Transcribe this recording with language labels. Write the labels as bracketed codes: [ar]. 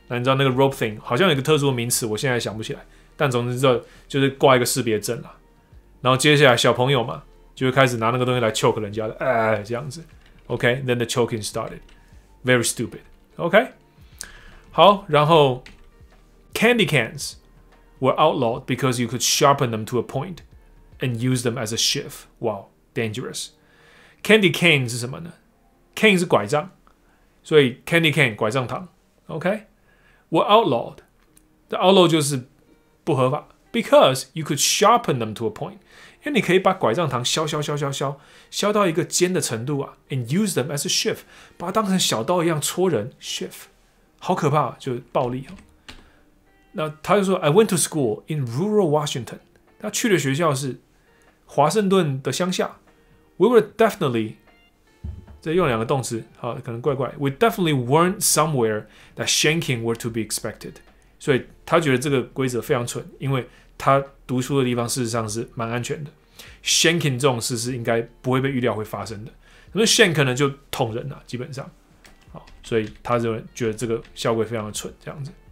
[zh] 那你知道那个 rope thing 好像有一个特殊的名词，我现在想不起来，但总之知道就是挂一个识别证啦。然后接下来小朋友嘛，就会开始拿那个东西来 choke 人家的，哎，这样子。 [en] OK， then the choking started. Very stupid. OK， [zh] 好，然后 [en] candy cans were outlawed because you could sharpen them to a point and use them as a shiv. Wow, dangerous. [zh] Candy cane 是什么呢 ？Cane 是拐杖，所以 candy cane 拐杖糖。 [en] OK， were outlawed. The outlaw [zh] 就是不合法 [en] ，because you could sharpen them to a point. [zh] 因为你可以把拐杖糖削到一个尖的程度啊 ， [en] and use them as a shiv， [zh] 把它当成小刀一样戳人 ，shiv， 好可怕、啊，就是暴力、啊、那他就说 ， [en] I went to school in rural Washington。 [zh] 他去的学校是华盛顿的乡下。 [en] We were definitely， [zh] 这用两个动词，好，可能怪怪。 [en] We definitely weren't somewhere that shanking were to be expected。 [zh] 所以他觉得这个规则非常蠢，因为。他读书的地方事实上是蛮安全的 ，shanking 这种事是应该不会被预料会发生的。那么 shank 可能就捅人了、啊，基本上，好，所以他认为觉得这个校规非常的蠢，这样子。